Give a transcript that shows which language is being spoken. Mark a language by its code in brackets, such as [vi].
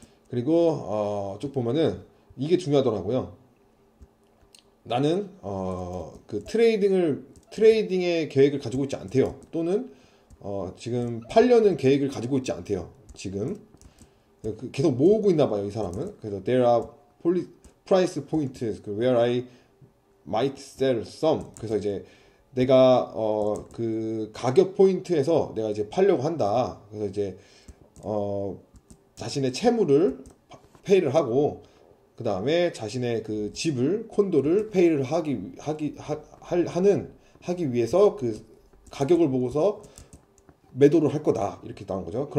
[ko] 그리고 쭉 보면은 이게 중요하더라고요. 나는 그 트레이딩의 계획을 가지고 있지 않대요. 또는 지금 팔려는 계획을 가지고 있지 않대요. 지금 계속 모으고 있나 봐요, 이 사람은. 그래서 [en] there are price points where I might sell some. [ko] 그래서 이제 내가 그 가격 포인트에서 내가 이제 팔려고 한다. 그래서 이제 자신의 채무를 페이를 하고, 그 다음에 자신의 그 집을, 콘도를 페이를 하기 하기 하, 할 하는 하기 위해서 그 가격을 보고서 매도를 할 거다, 이렇게 나온 거죠.